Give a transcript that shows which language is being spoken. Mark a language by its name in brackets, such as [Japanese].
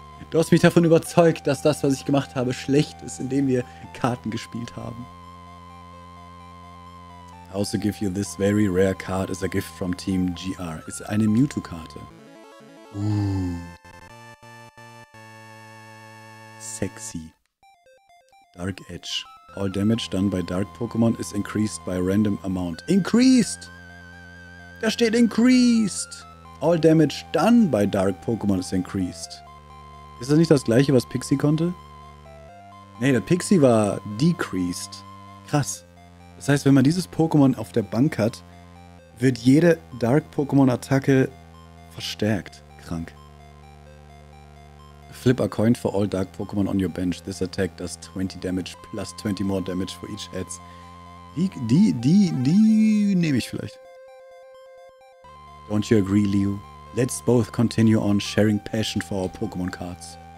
[German] Du hast mich davon überzeugt, dass das, was ich gemacht habe, schlecht ist, indem wir Karten gespielt haben. [English] I also give you this very rare card as a gift from Team GR. [German] Ist eine Mewtwo-Karte. [English] Sexy. Dark Edge. All damage done by Dark Pokémon is increased by random amount. Increased! [German] Da steht [English] increased! All damage done by Dark Pokémon is increased. [German] Ist das nicht das gleiche, was Pixie konnte? Nee, der Pixie war decreased. Krass. Das heißt, wenn man dieses Pokémon auf der Bank hat, wird jede Dark-Pokémon-Attacke verstärkt. Krank. [English] Flip a coin for all Dark Pokémon on your bench. This attack does 20 damage plus 20 more damage for each heads. [German] Die nehme ich vielleicht. [English] Don't you agree, [German] Leo? [English] Let's both continue on sharing passion for our Pokémon cards.